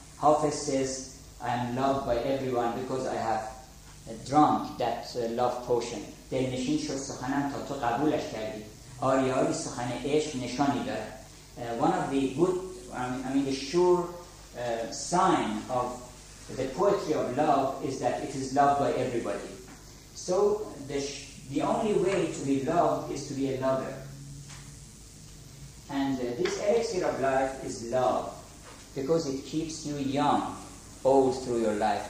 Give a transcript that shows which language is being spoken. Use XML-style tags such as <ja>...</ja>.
<en>Hafiz says, I am loved by everyone because I have drunk that love potion.</en> <fa>دل نشین شد سخنم تا تو قبولش کردی. آری آری سخن عشق نشانی داره.</fa> <en>One of the good, the sure sign of the poetry of love is that it is loved by everybody. So the only way to be loved is to be a lover. And this elixir of life is love, because it keeps you young all through your life.</en>